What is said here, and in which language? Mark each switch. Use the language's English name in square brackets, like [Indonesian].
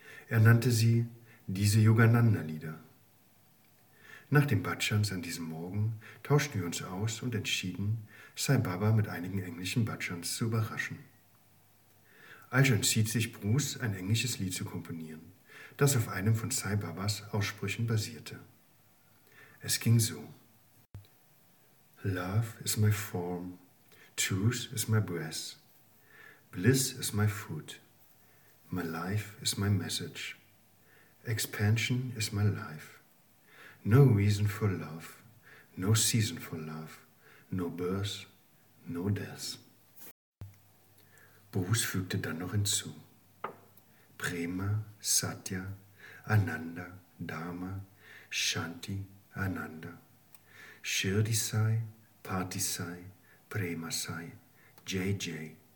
[German] Er nannte sie diese Yogananda-Lieder. Nach dem Bhajans an diesem Morgen tauschten wir uns aus und entschieden, Sai Baba mit einigen englischen Bhajans zu überraschen. Also entschied sich Bruce, ein englisches Lied zu komponieren, das auf einem von Sai Babas Aussprüchen basierte. Es ging so. [English] Love is my form, truth is my breath, bliss is my food, my life is my message, expansion is my life. No reason for love, no season for love, no birth, no death. [German] Bruce fügte dann noch hinzu. [Sanskrit] Prema, Satya, Ananda, Dharma, Shanti, Ananda. Shirdi Sai, Pati Sai, Prema Sai, Jai Jai.